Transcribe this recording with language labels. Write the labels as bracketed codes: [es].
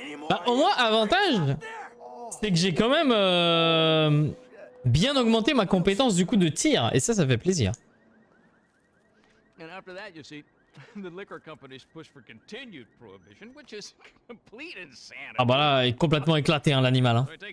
[fr] Bah, au moins avantage, c'est que j'ai quand même bien augmenté ma compétence du coup de tir et ça fait plaisir. [en] And after that, you see, the liquor companies push for continued prohibition, which is complete insanity. [fr] Ah bah là, il est complètement éclaté hein, l'animal.